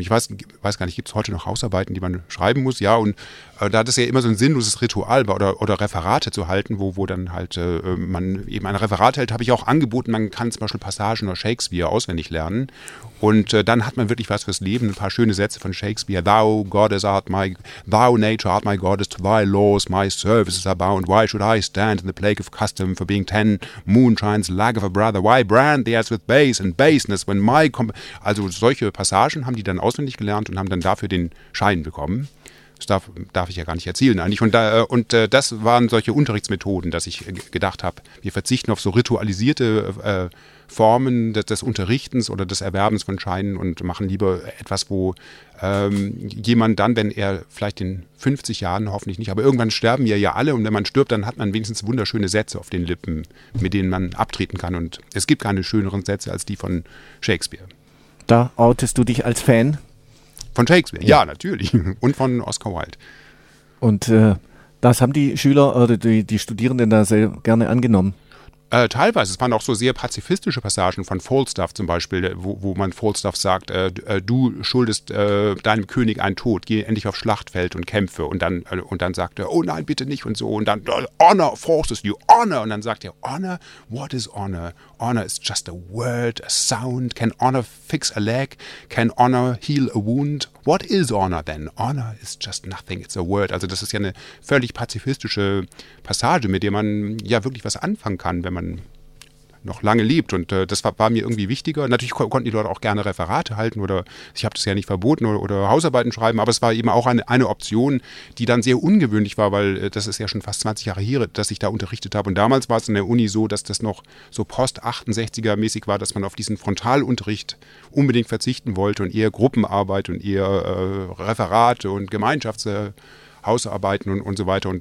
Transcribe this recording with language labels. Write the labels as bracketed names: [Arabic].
[German] Ich weiß gar nicht, gibt es heute noch Hausarbeiten, die man schreiben muss? Ja, und da hat es ja immer so ein sinnloses Ritual oder Referate zu halten, wo dann halt man eben ein Referat hält, habe ich auch angeboten, man kann zum Beispiel Passagen oder Shakespeare auswendig lernen. Und dann hat man wirklich was fürs Leben, ein paar schöne Sätze von Shakespeare. [English] Thou, nature, art my goddess, to thy laws my services are bound. Why should I stand in the plague of custom for being 10 moonshines lag of a brother? Why brand the ass with base and baseness when my... [German] Also solche Passagen haben die dann auswendig gelernt und haben dann dafür den Schein bekommen. Das darf ich ja gar nicht erzählen eigentlich. Und das waren solche Unterrichtsmethoden, dass ich gedacht habe, wir verzichten auf so ritualisierte Formen des Unterrichtens oder des Erwerbens von Scheinen und machen lieber etwas, wo jemand dann, wenn er vielleicht in 50 Jahren, hoffentlich nicht, aber irgendwann sterben wir ja alle und wenn man stirbt, dann hat man wenigstens wunderschöne Sätze auf den Lippen, mit denen man abtreten kann. Und es gibt keine schöneren Sätze als die von Shakespeare. Da outest du dich als Fan? Von Shakespeare, ja, natürlich. Und von Oscar Wilde. Und das haben die Schüler oder die Studierenden da sehr gerne angenommen? Teilweise. Es waren auch so sehr pazifistische Passagen von Falstaff zum Beispiel, wo man Falstaff sagt, du schuldest deinem König einen Tod, geh endlich aufs Schlachtfeld und kämpfe. Und dann sagt er, oh nein, bitte nicht und so. Und dann, [English] honor forces you, honor. [German] Und dann sagt er, [English] honor, what is honor? Honor is just a word, a sound. Can honor fix a leg? Can honor heal a wound? What is honor then? Honor is just nothing, it's a word. [German] Also das ist ja eine völlig pazifistische Passage, mit der man ja wirklich was anfangen kann, wenn man noch lange lebt. Und das war mir irgendwie wichtiger. Natürlich konnten die Leute auch gerne Referate halten oder ich habe das ja nicht verboten oder Hausarbeiten schreiben, aber es war eben auch eine Option, die dann sehr ungewöhnlich war, weil das ist ja schon fast 20 Jahre her, dass ich da unterrichtet habe. Und damals war es in der Uni so, dass das noch so Post-68er mäßig war, dass man auf diesen Frontalunterricht unbedingt verzichten wollte und eher Gruppenarbeit und eher Referate und Gemeinschaftshausarbeiten und so weiter.